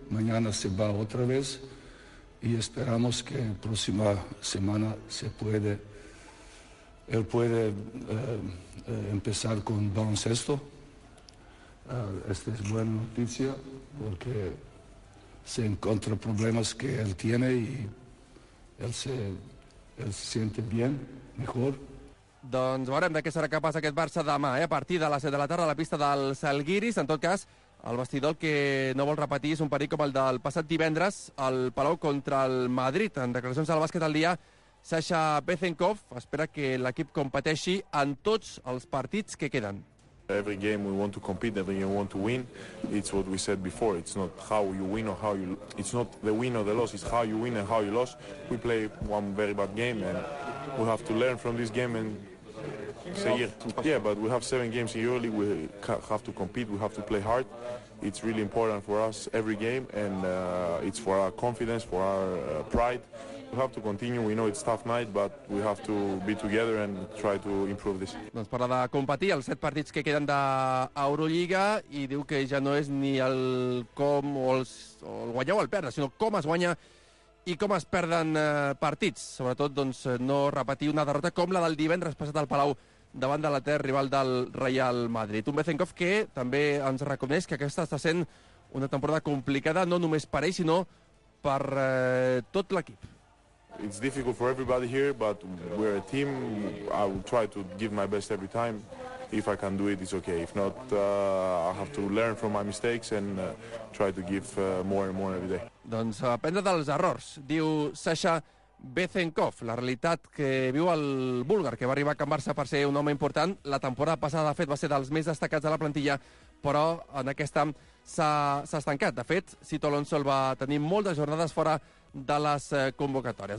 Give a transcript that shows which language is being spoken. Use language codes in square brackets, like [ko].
[es] Mañana se va otra vez y esperamos que la próxima semana él puede empezar con baloncesto. Esta es buena noticia porque se encuentra problemas que él tiene y él se siente bien, mejor. [ca] Doncs veurem de què serà capaç aquest Barça demà, a partir de les 7 de la tarda a la pista del Salguiris. En tot cas, el vestidor que no vol repetir és un perill com el del passat divendres al Palau contra el Madrid. En declaracions del Bàsquet al Dia, Sasha Bezenkov espera que l'equip competeixi en tots els partits que queden. [en] Every game we want to compete, every game we want to win. It's what we said before. It's not how you win or how you... It's not the win or the loss, it's how you win and how you lose. We play one very bad game and we have to learn from this game and seguir. Yeah, but we have 7 games in EuroLeague. We have to compete, we have to play hard. It's really important for us every game and it's for our confidence, for our pride. We have to continue. We know it's tough night, but we have to be together and try to improve this. [ca] Doncs parla de competir els 7 partits que queden d'Euroliga i diu que ja no és ni el com o el guanyar o el perdre, sinó com es guanya i com es perden partits. Sobretot, doncs, no repetir una derrota com la del divendres passat al Palau davant de l'etern rival del Real Madrid. Un Bezenkov que també ens reconeix que aquesta està sent una temporada complicada, no només per ell, sinó per tot l'equip. [en] It's difficult for everybody here, but we're a team. I will try to give my best every time. If I can do it, it's okay. If not, I have to learn from my mistakes and try to give more and more every day. [ca] Doncs aprendre dels errors, diu Sasha Bezenkov. La realitat que viu el búlgar, que va arribar a Can Barça per ser un home important, la temporada passada, de fet, va ser dels més destacats de la plantilla, però en aquesta s'ha estancat. De fet, Sito Alonso va tenir moltes jornades fora de les convocatòries.